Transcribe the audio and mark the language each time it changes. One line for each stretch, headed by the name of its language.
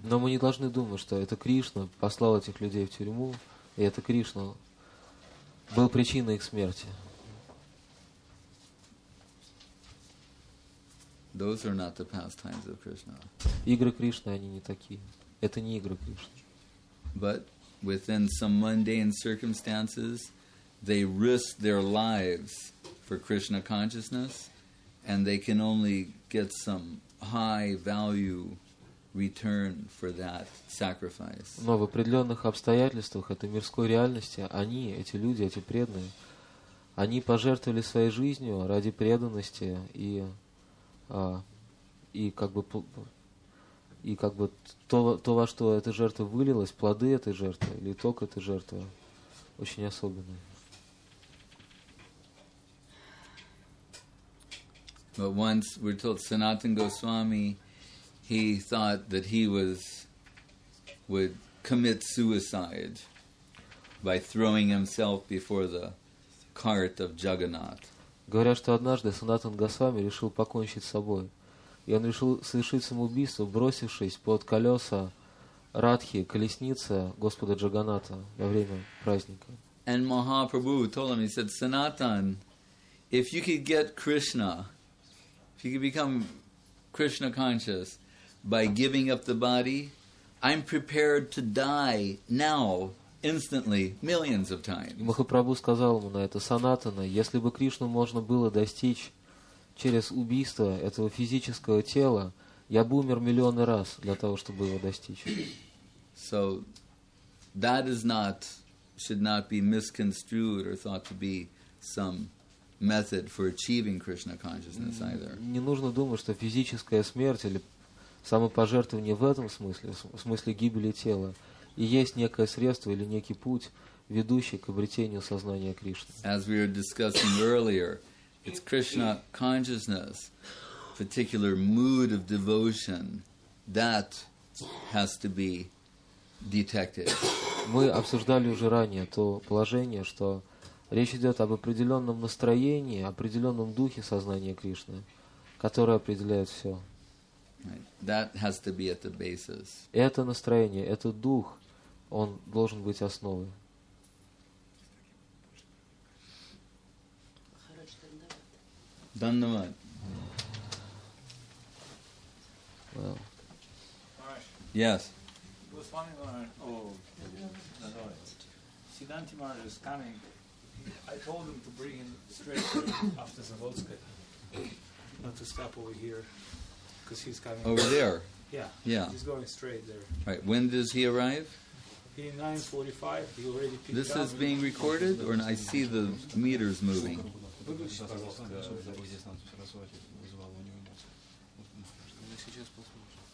Russian: Но мы не должны думать, что это Кришна послал этих людей в тюрьму, и это Кришна был причиной их смерти.
English: Those are not the pastimes of Krishna.
Russian: Игры Кришны, они не такие. Это не игры Кришны.
English: But within some mundane circumstances, they risk their lives for Krishna consciousness, and they can only get some high value return for that sacrifice.
Russian: Но в определенных обстоятельствах этой мирской реальности они, эти люди, эти преданные, они пожертвовали своей жизнью ради преданности и как бы то, во что эта жертва вылилась, плоды этой жертвы или итог этой жертвы очень особенные.
English: But once we're told Sanatan Goswami, he thought that he would commit suicide by throwing himself before the cart of Jagannath.
Russian: Говорят, что однажды Санатан Госвами решил покончить с собой, и он решил совершить самоубийство, бросившись под колеса Радхи, колесницы Господа Джаганната во время праздника.
English: And Mahaprabhu told him, he said, Sanatan, if you could get Krishna, if you could become Krishna conscious by giving up the body, I'm prepared to die now, instantly, millions of times.
Russian: И Махапрабху сказал ему на это: Санатана, если бы Кришну можно было достичь через убийство этого физического тела, я бы умер миллионы раз для того, чтобы его достичь.
English: So that is not, should not be misconstrued or thought to be some method for achieving Krishna consciousness either.
Russian: Не нужно думать, что физическая смерть или самопожертвование в этом смысле, в смысле гибели тела, и есть некое средство или некий путь, ведущий к обретению сознания Кришны.
English: As we were discussing earlier, it's Krishna consciousness, particular mood of devotion, that has to be detected.
Russian: Мы обсуждали уже ранее то положение, что Речь идет об определенном настроении, определенном духе сознания Кришны, которое определяет все.
English: That has to be at the basis.
Russian: Это настроение, этот дух, он должен быть основой.
Hindi: Dhanyavad.
English: Well. Yes. Goswami Maharaj, oh, Siddhanti Maharaj is coming. I told him to bring him straight after Zavodska, not to stop over here, because he's coming. Over there? Yeah. Yeah. He's going straight there. Right. When does he arrive? He 9:45. He already picked up. This is being recorded, or I see the meters moving.
Russian: Пожалуйста, чтобы здесь нас все развозить, вызвало у него эмоции. Вот, мы сейчас посмотрим.